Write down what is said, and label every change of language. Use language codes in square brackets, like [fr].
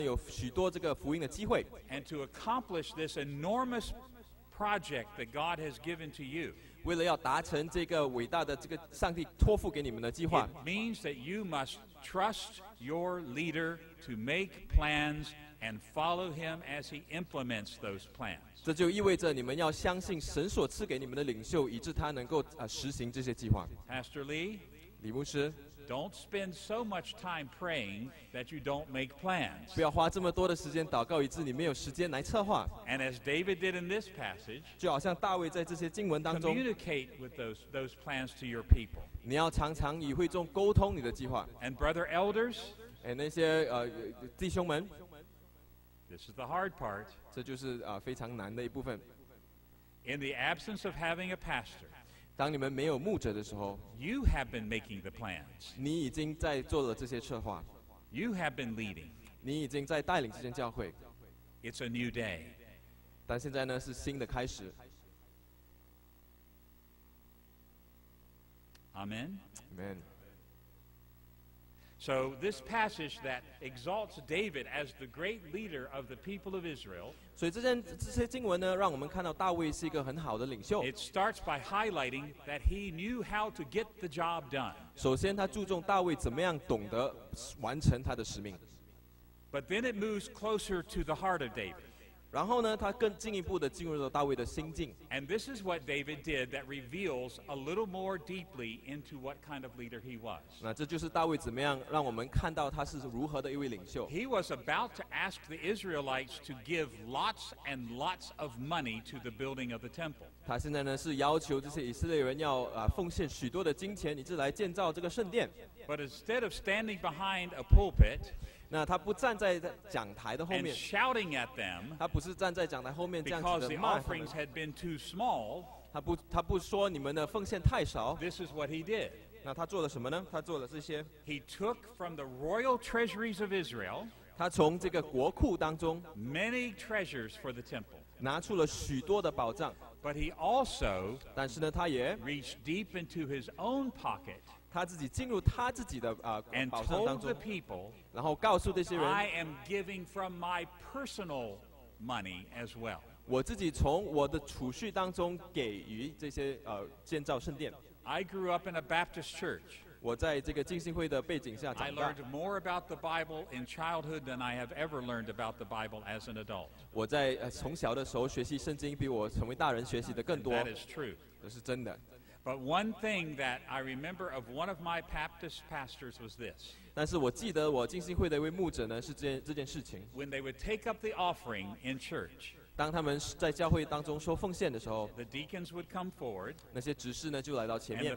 [en] and to accomplish this enormous project that God has given to you, it means that you must trust your leader to make plans and follow him as he implements those plans. [zh] 这就意味着你们要相信神所赐给你们的领袖, 以致他能够, 实行这些计划。 [en] Pastor Lee, [zh] 李牧师, [en] don't spend so much time praying that you don't make plans. [zh] 不要花这么多的时间祷告, 以致你没有时间来策划。 [en] And as David did in this passage, [zh] 就好像大卫在这些经文当中, [en] communicate with those plans to your people. [zh] 你要常常与会众沟通你的计划。 [en] And brother elders, [zh] 那些, 弟兄们, [en] this is the hard part. [zh] 这就是, 非常难的一部分。 [en] In the absence of having a pastor, [zh] 当你们没有牧者的时候, [en] you have been making the plans. [zh] 你已经在做了这些策划。 [en] You have been leading. [zh] 你已经在带领这间教会。 [en] It's a new day. [zh] 但现在呢, 是新的开始。 [en] Amen. Amen. So this passage that exalts David as the great leader of the people of Israel, [zh] 所以这些经文呢, 让我们看到大卫是一个很好的领袖。 [en] It starts by highlighting that he knew how to get the job done. [zh] 首先他注重大卫怎么样懂得完成他的使命。 [en] But then it moves closer to the heart of David. [zh] 然后呢, 他更进一步地进入了大卫的心境。 [en] And this is what David did that reveals a little more deeply into what kind of leader he was. [zh] 那这就是大卫怎么样让我们看到他是如何的一位领袖。 [en] He was about to ask the Israelites to give lots and lots of money to the building of the temple. [zh] 他现在呢, 是要求这些以色列人要, 奉献许多的金钱, 以致来建造这个圣殿。 [en] But instead of standing behind a pulpit, [zh] 那他不站在讲台的后面, [en] and shouting at them, [zh] 他不是站在讲台后面这样子的骂他们, [en] because the offerings had been too small, [zh] 他不说你们的奉献太少, [en] this is what he did. [zh] 那他做了什么呢?他做了这些, [en] he took from the royal treasuries of Israel, [zh] 他从这个国库当中, [en] many treasures for the temple, [zh] 拿出了许多的宝藏, [en] but he also, [zh] 但是呢, 他也, [en] reached deep into his own pocket, [zh] 他自己进入他自己的, [en] and told the people, [zh] 然后告诉这些人, [en] I am giving from my personal money as well. [zh] 我自己从我的储蓄当中给予这些, 建造圣殿。 [en] I grew up in a Baptist church. [zh] 我在这个浸信会的背景下长大。 [en] I learned more about the Bible in childhood than I have ever learned about the Bible as an adult. [zh] 我在, 从小的时候学习圣经比我成为大人学习的更多。 [en] And that is true. [zh] 这是真的。 [en] But one thing that I remember of one of my Baptist pastors was this. [zh] 但是我记得我浸信会的一位牧者呢，是这件事情。 [en] When they would take up the offering in church, [zh] 当他们在教会当中收奉献的时候, [en] the deacons would come forward, [zh] 那些执事呢，就来到前面。